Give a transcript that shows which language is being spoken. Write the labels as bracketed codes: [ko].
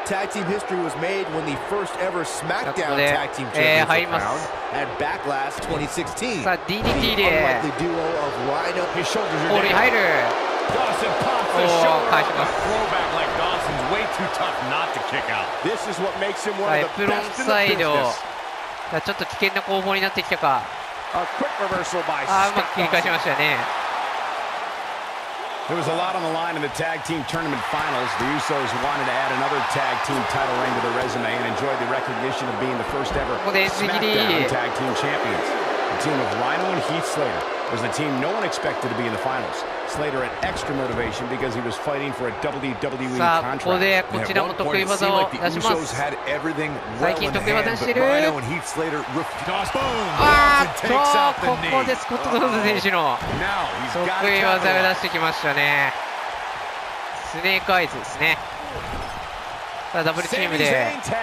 [en] Tag team history was made when the first ever SmackDown tag team champions crowned at Backlash 2016. [ja] さあ DDT で。 [en] The duo of Rhino and Shoulder. Holy Rider. Dawson pops the shoulder. Throwback like Dawson's way too tough not to kick out. This is what makes him one of the best in the business. [ja] ちょっと危険な攻防になってきたか。 [en] A quick reversal by Scott. [ja] うまく切り返しましたね。 [en] There was a lot on the line in the tag team tournament finals. The Usos wanted to add another tag team title reign to their resume and enjoyed the recognition of being the first ever SmackDown tag team champions. The team of Rhino and Heath Slater was the team no one expected to be in the finals. Slater had extra motivation because he was fighting for a WWE contract. [ja] さあ、ここでこちらも得意技を出します。 [en] Usos had everything well in hand, but Rhino and Heath Slater refused. [ja] ああ、ここでスコット・ドーズ選手の得意技を出してきましたね。スネークアイズですね。さあ、ダブルチームで。